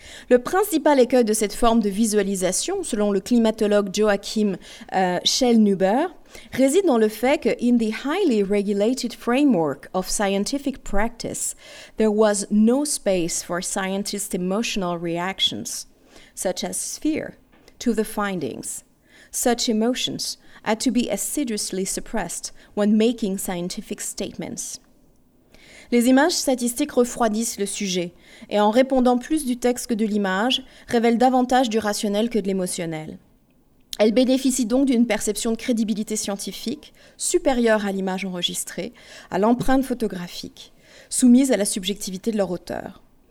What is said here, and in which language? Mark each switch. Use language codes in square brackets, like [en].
[fr] Le principal écueil de cette forme de visualisation, selon le climatologue Joachim Schellnhuber, réside dans le fait que « [en] in the highly regulated framework of scientific practice, there was no space for scientists' emotional reactions ». Such as fear, to the findings. Such emotions had to be assiduously suppressed when making scientific statements. [fr] Les images statistiques refroidissent le sujet et en répondant plus du texte que de l'image, révèlent davantage du rationnel que de l'émotionnel. Elles bénéficient donc d'une perception de crédibilité scientifique supérieure à l'image enregistrée, à l'empreinte photographique, soumise à la subjectivité de leur auteur.